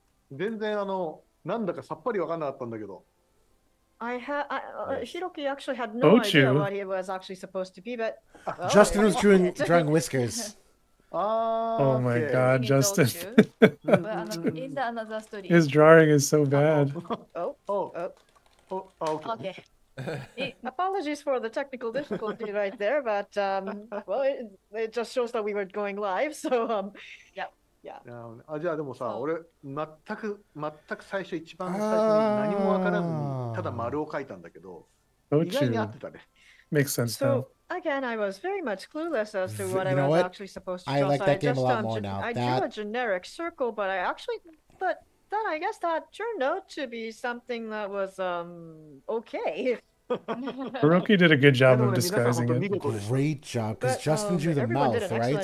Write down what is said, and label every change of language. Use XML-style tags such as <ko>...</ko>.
<ja>全然あのなんだかさっぱりわかんなかったんだけど。</ja> <en>I have Hiroki actually had no idea what he was actually supposed to be, but Justin was drawing whiskers. Oh my god, Justin! But in the another story, his drawing is so bad. Okay. Apologies for the technical difficulty right there, but it just shows that we were going live, so</en> <ja>じゃあでもさ、俺全く最初一番最初に何もわからずただ丸を描いたんだけど、意外に合ってたね。</ja> <en>Makes sense. So again, I was very much clueless as to what I was actually supposed to draw. I like that game a lot more now. I drew a generic circle, but then I guess that turned out to be something that was okay. Hiroki did a good job of disguising it. Great job, because Justin drew the mouth, right?</en>